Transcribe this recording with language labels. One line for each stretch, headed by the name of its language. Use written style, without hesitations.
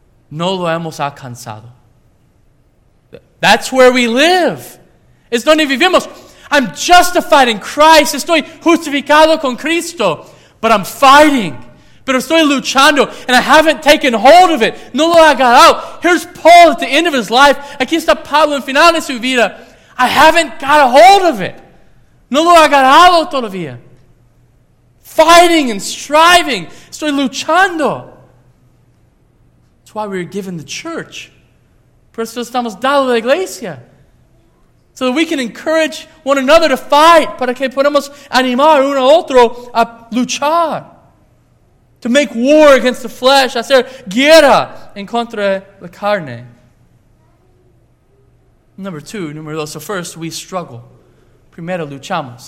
Spanish: No lo hemos alcanzado.
English: That's where we live.
Spanish: Es donde vivimos.
English: I'm justified in Christ.
Spanish: Estoy justificado con Cristo.
English: But I'm fighting.
Spanish: Pero estoy luchando.
English: And I haven't taken hold of it.
Spanish: No lo he agarrado.
English: Here's Paul at the end of his life.
Spanish: Aquí está Pablo en final de su vida.
English: I haven't got a hold of it.
Spanish: No lo he agarrado todavía.
English: Fighting and striving.
Spanish: Estoy luchando.
English: That's why we're given the church.
Spanish: Por eso estamos dado la iglesia.
English: So that we can encourage one another to fight.
Spanish: Para que podamos animar uno a otro a luchar.
English: To make war against the flesh.
Spanish: Hacer guerra en contra la carne.
English: Number two,
Spanish: número dos.
English: So first, we struggle.
Spanish: Primero, luchamos.